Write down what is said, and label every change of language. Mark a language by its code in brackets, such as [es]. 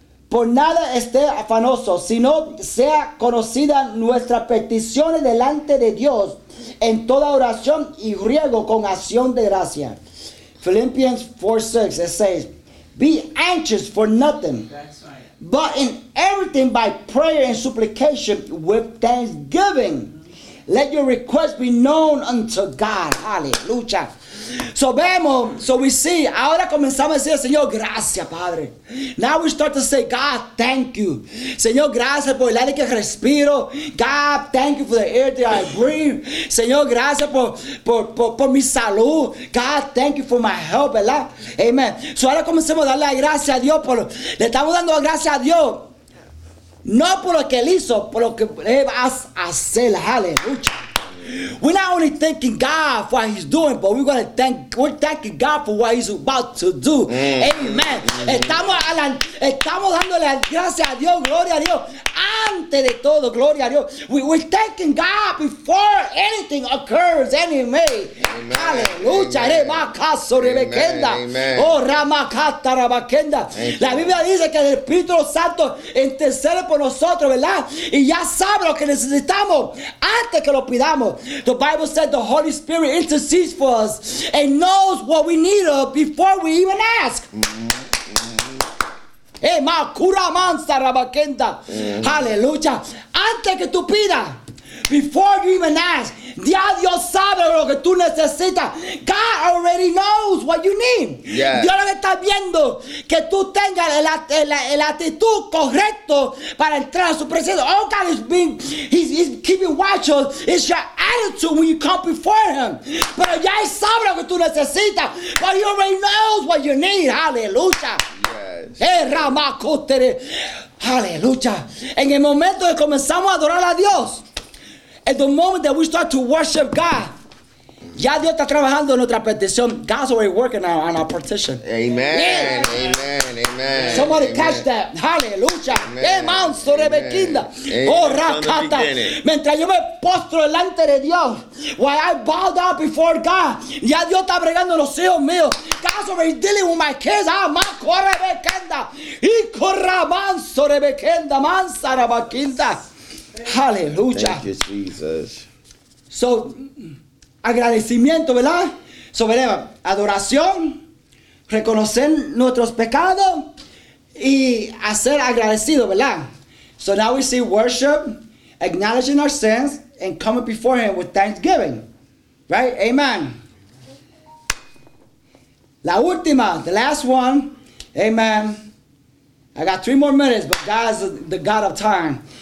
[es] Por nada esté afanoso, sino sea conocida nuestras peticiones delante de Dios en toda oración y ruego con acción de gracia. [en] Philippians 4:6, it says, be anxious for nothing, but in everything by prayer and supplication with thanksgiving, let your request be known unto God. [es] Aleluya. So vemos, [en] so we see, [es] ahora comenzamos a decir, Señor, gracias, Padre. [en] Now we start to say, God, thank you. [es] Señor, gracias por el aire que respiro. [en] God, thank you for the air that I breathe. [es] Señor, gracias por mi salud. [en] God, thank you for my help, ¿verdad? Amen. [es] So ahora comenzamos a darle gracias a Dios. Le estamos dando gracias a Dios. No por lo que Él hizo, por lo que Él va a hacer. Aleluya. [en] We're not only thanking God for what He's doing, but we're thanking God for what He's about to do. Amen. [es] Estamos dándole gracias a Dios, gloria a Dios. Antes de todo, gloria a Dios. [en] We're thanking God before anything occurs. Amen. [es] Aleluya. [en] Amen. Oh, Ramakata Rabakenda. [es] La Biblia dice que el Espíritu Santo intercede por nosotros, ¿verdad? Y ya sabe lo que necesitamos antes que lo pidamos. [en] The Bible said the Holy Spirit intercedes for us and knows what we need before we even ask. Hallelujah. [es] Antes que tú pidas, [en] before you even ask, [es] ya Dios sabe lo que tú necesitas. [en] God already knows what you need. Yes. [es] Dios lo que está viendo que tú tengas la actitud correcto para entrar a su presencia. [en] All God is being, he's keeping watch of, it's your attitude when you come before Him. [es] Pero ya Él sabe lo que tú necesitas. [en] But He already knows what you need. Hallelujah. Yes. [es] Ramacotere. Hallelujah. En el momento que comenzamos a adorar a Dios, [en] at the moment that we start to worship God, [es] ya Dios está trabajando en nuestra petición. [en] God's already working on our petition. Amen. Yeah. Amen. Amen. Somebody amen. Catch that. Hallelujah. Amen. Amen. Oh, Rakata. [es] Mientras yo me postro delante de Dios, [en] while I bow down before God, [es] ya Dios está bregando los hijos míos. [en] God's already dealing with my kids. Ah, man, correbequenda. Y corra, man, sorebequenda, man, sarabaquinda. Hallelujah. Thank you, Jesus. [es] So, agradecimiento, ¿verdad? Sobre adoración, reconocer nuestros pecados y hacer agradecido, ¿verdad? [en] So now we see worship, acknowledging our sins and coming before Him with thanksgiving. Right? Amen. [es] La última, [en] the last one. Amen. I got 3 more minutes, but God is the God of time.